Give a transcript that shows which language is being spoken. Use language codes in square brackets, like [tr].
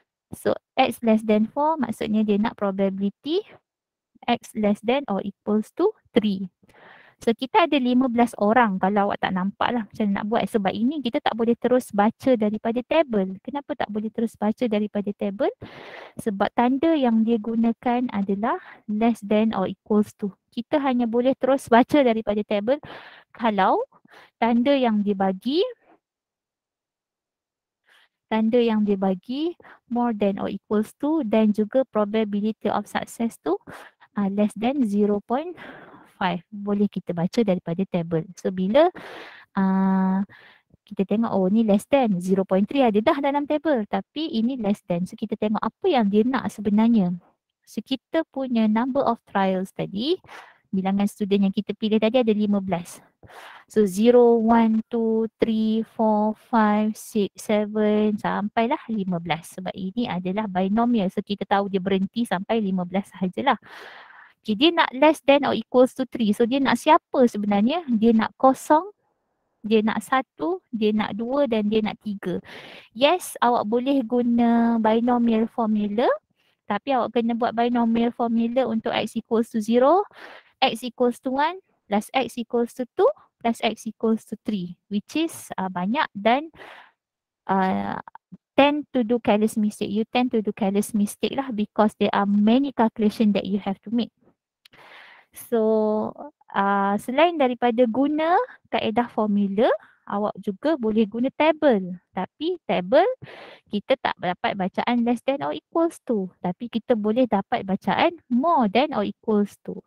[en] So X less than 4 [ms] maksudnya dia nak [en] probability X less than or equals to 3. [ms] So kita ada 15 orang, kalau awak tak nampak lah macam nak buat. Sebab ini kita tak boleh terus baca daripada table. Kenapa tak boleh terus baca daripada table? Sebab tanda yang dia gunakan adalah less than or equals to. Kita hanya boleh terus baca daripada table kalau tanda yang dia bagi, tanda yang dia bagi more than or equals to, dan juga probability of success tu less than 0.5. Boleh kita baca daripada table. So bila kita tengok, oh ni less than 0.3 ada dah dalam table, tapi ini less than. So kita tengok apa yang dia nak sebenarnya. So kita punya number of trials tadi, bilangan student yang kita pilih tadi ada 15. So 0, 1, 2, 3, 4, 5, 6, 7 sampailah 15. Sebab ini adalah binomial. So kita tahu dia berhenti sampai 15 sahajalah. Okay, dia nak less than or equals to 3. So dia nak siapa sebenarnya? Dia nak kosong, dia nak 1, dia nak 2 dan dia nak 3. Yes, awak boleh guna binomial formula. Tapi awak kena buat binomial formula untuk X equals to 0, X equals to 1, plus X equals to 2, plus X equals to 3. [en] Which is [ms] banyak dan [en] tend to do careless mistake lah, because there are many calculation that you have to make. [ms] So selain daripada guna kaedah formula, awak juga boleh guna table. Tapi table kita tak dapat bacaan less than or equals to. Tapi kita boleh dapat bacaan more than or equals to.